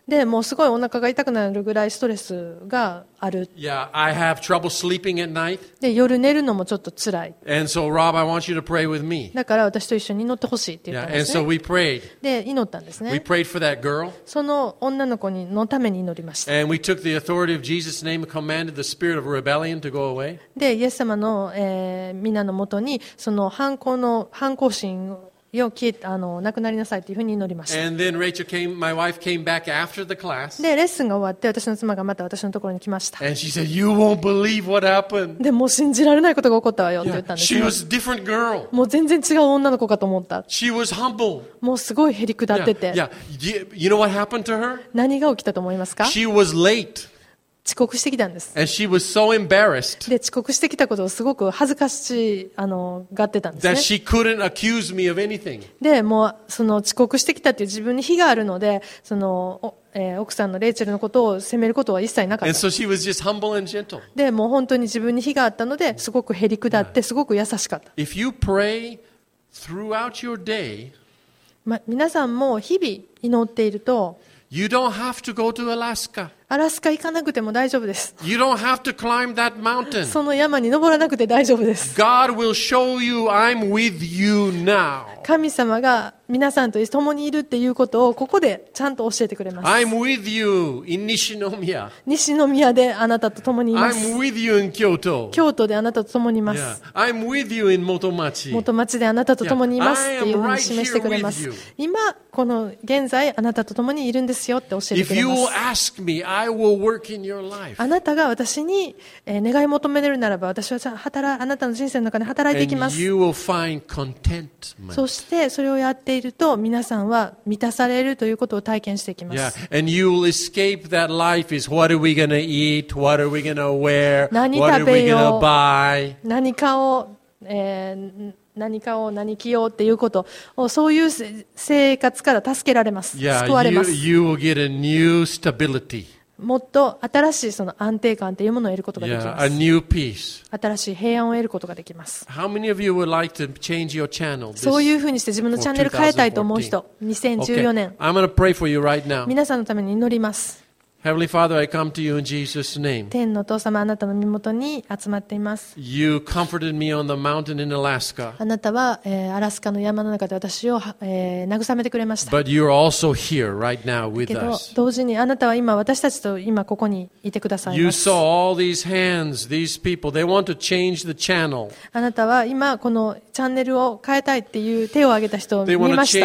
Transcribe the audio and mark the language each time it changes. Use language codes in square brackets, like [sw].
[ja] で、もうすごいお腹が痛くなるぐらいストレスがある。 [en] Yeah, I have trouble sleeping at night. [ja] で、夜寝るのもちょっと辛い。 [en] And so, Rob, I want you to pray with me. [ja] だから私と一緒に祈ってほしいって言ったんですね。 [en] Yeah. And so we prayed. [ja] で、祈ったんですね。 [en] We prayed for that girl. [ja] その女の子のために祈りました。 [en] And we took the authority of Jesus' name and commanded the spirit of rebellion to go away. [ja] で、イエス様の、皆のもとに、その反抗心をよ消えたなくなりなさいというふうに祈りました。 [en] And then Rachel came, my wife came back after the class. [ja] で、レッスンが終わって、私の妻がまた私のところに来ました。 [en] And she said, "You won't believe what happened." [ja] で、もう信じられないことが起こったわよって言ったんです。 [en] She was a different girl. [ja] もう全然違う女の子かと思った。 [en] She was humble. [ja] もうすごいへりくだってて。 [en] Yeah, yeah. You know what happened to her? [ja] 何が起きたと思いますか? [en] She was late. [ja] 遅刻してきたんです。 [en] And she was so embarrassed [ja] で遅刻してきたことをすごく恥ずかしがってたんですね。 [en] That she couldn't accuse me of anything. [ja] で、もうその遅刻してきたっていう自分に非があるので、その奥さんのレイチェルのことを責めることは一切なかった。 [en] And so she was just humble and gentle. [ja] で、もう本当に自分に非があったので、すごくへりくだってすごく優しかった。 [en] If you pray throughout your day, [ja] 皆さんも日々祈っていると。 [en] You don't have to go to Alaska. [ja] アラスカ行かなくても大丈夫です。 [en] You don't have to climb that mountain. [ja] その山に登らなくて大丈夫です。 [en] God will show you I'm with you now. [ja] 神様が皆さんと共にいるっていうことをここでちゃんと教えてくれます。 [en] I'm with you in 西宮。 [ja] 西宮であなたと共にいます。 [en] I'm with you in 京都。 [ja] 京都であなたと共にいます。 [en] Yeah. I'm with you in 元町。 [ja] 元町であなたと共にいますっていうふうに示してくれます。今、この現在あなたと共にいるんですよって教えてくれます。 [en] If you will ask me, I will work in your life. [ja] あなたが私に願い求めれるならば私はあなたの人生の中で働いていきます。 [en] And you will find contentment. [ja] そしてそれをやっていると皆さんは満たされるということを体験していきます。 [en] Yeah. And you will escape that life is what are we going to eat? What are we going to wear? [ja] 何食べよう [en] What are we going to buy? [ja] 何かを何かを何着ようっていうことをそういう生活から助けられます。 [en] Yeah, [ja] 救われます。 [en] You will get a new stability. [ja] もっと新しいその安定感というものを得ることができます。 [en] Yeah, a new peace. [ja] 新しい平安を得ることができます。 [en] How many of you would like to change your channel? [ja] そういうふうにして自分のチャンネル変えたいと思う人、2014年。 [en] Okay. I'm gonna pray for you right now. [ja] 皆さんのために祈ります。 [en] Heavenly Father, I come to you in Jesus' name. [ja] 天のお父様、あなたの身元に集まっています。 [en] You comforted me on the mountain in Alaska. [ja] あなたは、アラスカの山の中で私を、慰めてくれました。 [en] But you're also here right now with us. [ja] けど同時にあなたは今私たちと今ここにいてくださいます。 [en] You saw all these hands, these people. They want to change the channel. [ja] あなたは今このチャンネルを変えたいっていう手を挙げた人を見ました。